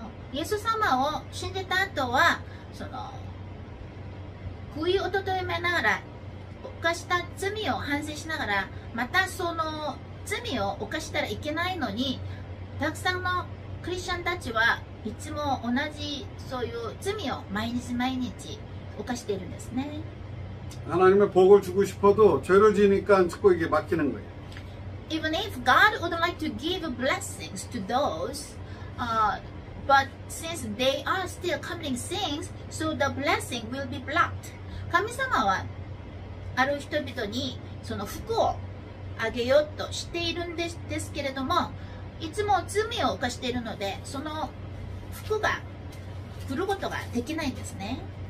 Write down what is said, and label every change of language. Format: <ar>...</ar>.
<ja>イエス様を信じた後は、その、悔いを整えながら、犯した罪を反省しながら、またその罪を犯したらいけないのに、たくさんのクリスチャンたちはいつも同じそういう罪を毎日毎日犯しているんですね。神様に</ja> <ko>복을주고싶어도죄를지니까자꾸이게막히는거예요。</ko> <en>Even if God would like to give blessings to those, but since they are still committing sins, so the blessing will be blocked.</en> <ja>神様はある人々にその福をあげようとしているんですけれども、いつも罪を犯しているので、その福が振ることができないんですね。</ja>